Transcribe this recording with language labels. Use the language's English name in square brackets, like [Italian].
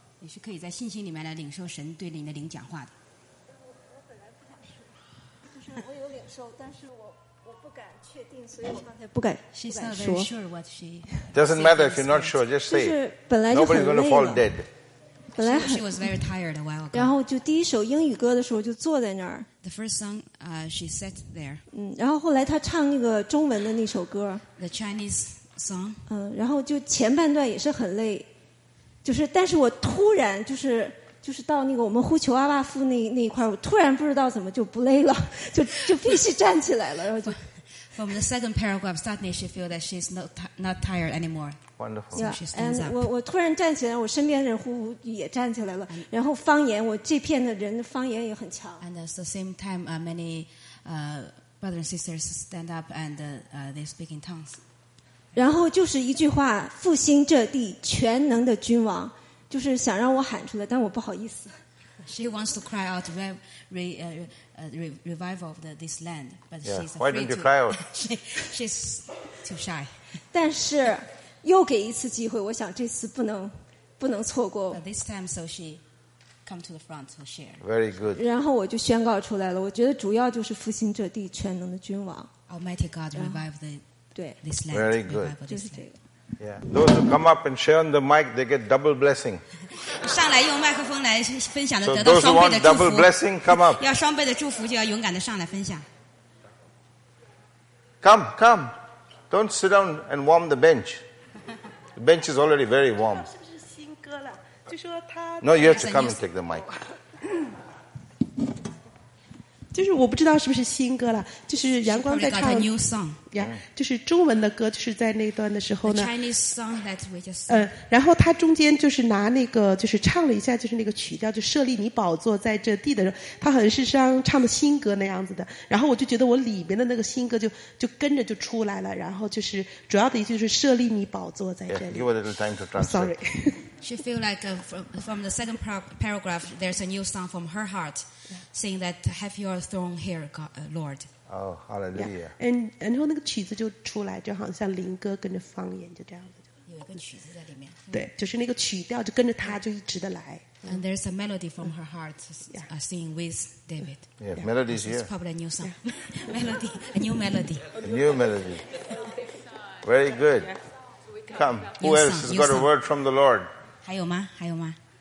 [English] She's not very sure what she... Doesn't matter if you're not sure, just say it. Nobody's going to fall dead. She was very tired a while ago. [Chinese] 然后就第一首英语歌的时候就坐在那儿。 [English] The first song, she sat there. [Chinese] 然后后来她唱那个中文的那首歌。 [English] The Chinese song. [Chinese] 然后就前半段也是很累。就是但是我突然就是到那个我们呼求阿爸父那一块我突然不知道怎么就不累了就必须站起来了然后就 [English] From the second paragraph suddenly she feels that she's not tired anymore. Wonderful. Yeah, so she stands up. [Chinese] 我突然站起来我身边人呼呼也站起来了然后方言我这片的人的方言也很强。 [English] And at the same time, many brothers and sisters stand up and they speak in tongues. [Chinese] 然后就是一句话复兴这地全能的君王。就是想让我喊出来，但我不好意思。 [English] She wants to cry out revival of this land, but she's afraid to. Why don't you cry out? She's too shy. [Chinese] 但是又给一次机会，我想这次不能错过。 [English] But this time, so she come to the front to share. Very good. [Chinese] 然后我就宣告出来了。我觉得主要就是复兴这地全能的君王。 [English] Almighty God, revive the this land. Very good. [Chinese] 就是这个。 [English] Yeah. Those who come up and share on the mic, they get double blessing. [Chinese] 上来用麦克风来分享的，得到双倍的祝福。 [English] So those who want double blessing, come up. [Chinese] 要双倍的祝福，就要勇敢的上来分享。 [English] Come, come. Don't sit down and warm the bench. The bench is already very warm. [Chinese] 是不是新歌了？就说他。 [English] No, you have to come and take the mic. [Chinese] 就是我不知道是不是新歌了，就是阳光在唱 [English] new song， [Chinese] 呀，就是中文的歌，就是在那段的时候呢。 [English] Chinese song that we just [Chinese] 然后他中间就是拿那个，就是唱了一下，就是那个曲调，就设立你宝座在这地的时候，他很是像唱的新歌那样子的。然后我就觉得我里面的那个新歌就跟着就出来了。然后就是主要的一句是设立你宝座在这里。 [English] Give a little time to translate. Sorry. She feel like from the second paragraph, there's a new song from her heart. Saying that, have your throne here, God, Lord. Oh, hallelujah. Yeah. [Chinese] And 然后那个曲子就出来，就好像灵歌跟着方言，就这样子。有一个曲子在里面。对，就是那个曲调就跟着他就一直的来。 [English] And there's a melody from her heart, singing with David. Yeah, melody is here. It's probably a new song. melody, a new melody. A new melody. Very good. Come, who else has got a word from the Lord? [Chinese] 还有吗？还有吗？